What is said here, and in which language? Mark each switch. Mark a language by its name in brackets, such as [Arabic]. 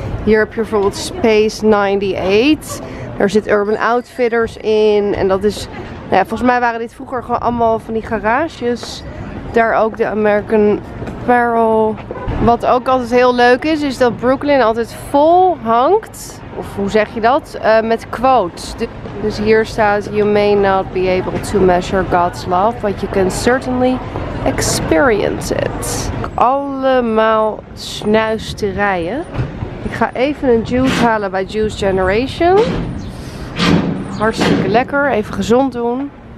[Dutch] Hier heb je bijvoorbeeld Space 98. Daar zit Urban Outfitters in en dat is... Nou ja, volgens mij waren dit vroeger gewoon allemaal van die garages. Daar ook de American Pearl. Wat ook altijd heel leuk is, is dat Brooklyn altijd vol hangt, of hoe zeg je dat, met quotes. Dus hier staat, [English] you may not be able to measure God's love, but you can certainly experience it. [Dutch] Allemaal snuisterijen. Ik ga even een juice halen bij Juice Generation. Hartstikke lekker, even gezond doen.